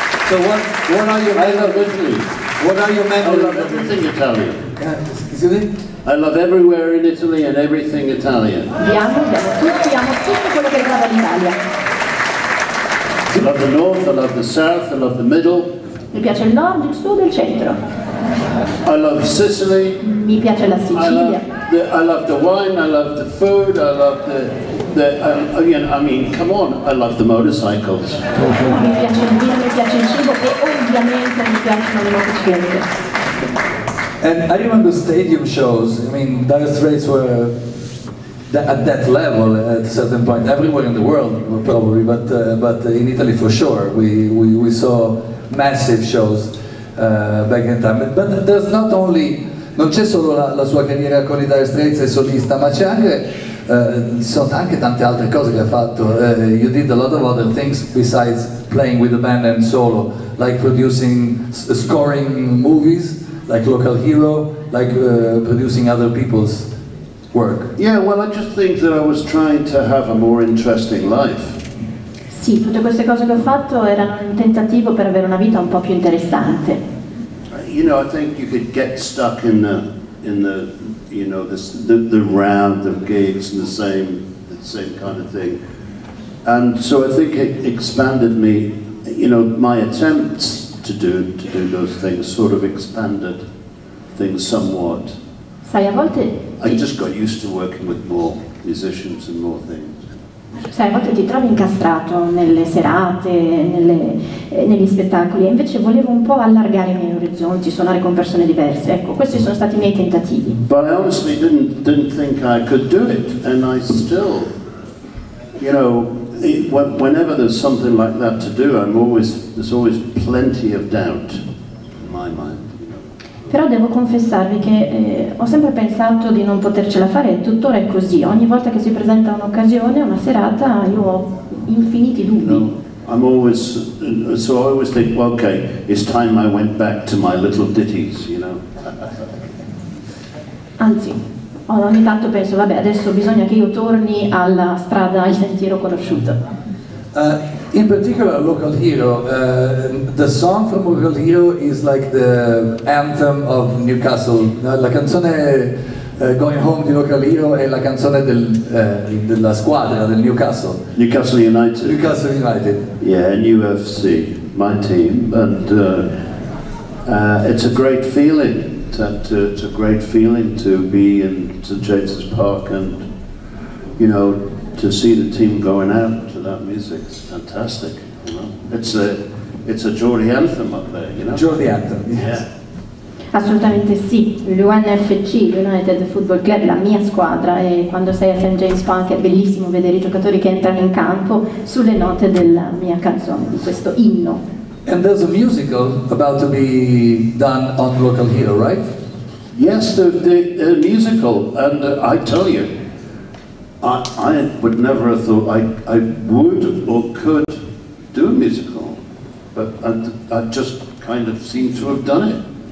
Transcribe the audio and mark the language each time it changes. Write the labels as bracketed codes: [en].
[en] So what are your memories? I love Italy. What are your memories? I love everything Italian. Excuse me? I love everywhere in Italy and everything Italian. I love the north, I love the south, I love the middle. [it] Mi piace il nord, il sud e il centro. [en] I love Sicily. [it] Mi piace la Sicilia. [en] I love the wine, I love the food, I love come on, I love the motorcycles. [it] Mi piace il vino, mi piace il cibo e ovviamente mi piacciono le motociclette. [en] And I remember stadium shows. I mean, Dire Straits were at that level at a certain point, everywhere in the world probably, but in Italy for sure, we saw massive shows back in time. But there's not only, [it] non c'è solo la sua carriera con i Dire Straits e solista, ma c'è anche, sono anche tante altre cose che ha fatto. [en] You did a lot of other things besides playing with the band and solo, like producing, scoring movies, like Local Hero, like producing other people's work. Yeah, well, I just think that I was trying to have a more interesting life. [it] Sì, tutte queste cose che ho fatto erano un tentativo per avere una vita un po' più interessante. [en] You know, I think you could get stuck in the round of gigs and the same kind of thing. And so I think it expanded me, you know, my attempts to do those things sort of expanded things somewhat. [it] Sai, a volte [en] I just got used to working with more musicians and more things. [it] Sai, a volte ti trovi incastrato nelle serate, negli spettacoli, e invece volevo un po' allargare i miei orizzonti, suonare con persone diverse. Ecco, questi sono stati i miei tentativi. [en] But I honestly didn't think I could do it, and I still, you know, whenever there's something like that to do, there's always plenty of doubt in my mind. [it] Però devo confessarvi che ho sempre pensato di non potercela fare, e tuttora è così. Ogni volta che si presenta un'occasione, una serata, io ho infiniti dubbi. [en] No, I'm always, so I always think, well, okay, it's time I went back to my little ditties, you know. [it] Anzi, ogni tanto penso, vabbè, adesso bisogna che io torni alla strada, al sentiero conosciuto. [en] In particular, Local Hero, the song from Local Hero is like the anthem of Newcastle. [it] La canzone Going Home di Local Hero è la canzone della squadra del Newcastle. [en] Newcastle United. Newcastle United. Yeah, and UFC, my team. And it's a great feeling. It's a great feeling to be in St. James's Park and, you know, to see the team going out to that music. It's fantastic, you know? It's a Geordie anthem up there, you know? Geordie anthem, yes. Yeah. [it] Assolutamente sì. L'UNFC, United Football Club, la mia squadra, e quando sei a St. James Park è bellissimo vedere i giocatori che entrano in campo sulle note della mia canzone, di questo inno. [en] And there's a musical about to be done on Local Hero, right? Yes, the musical, and I tell you, I would never have thought I would or could do a musical, but I just kind of seem to have done it.